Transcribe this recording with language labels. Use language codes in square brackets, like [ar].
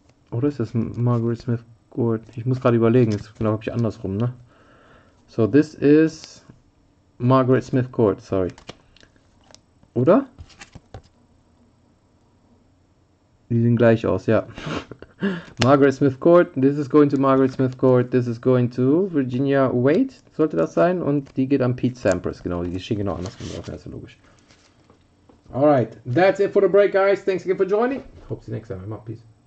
[de] Oder ist das Margaret Smith? Gut, ich muss gerade überlegen, ist glaube ich andersrum, ne? [en] So, this is Margaret Smith Court, sorry. [de] Oder? Die sehen gleich aus, ja. [en] Margaret Smith Court, this is going to Margaret Smith Court, this is going to Virginia Wade, [de] sollte das sein, und die geht an Pete Sampras, genau, die stehen genau andersrum, das ist ja logisch. [en] Alright, that's it for the break, guys. Thanks again for joining. Hope to see you next time. I'm up, peace.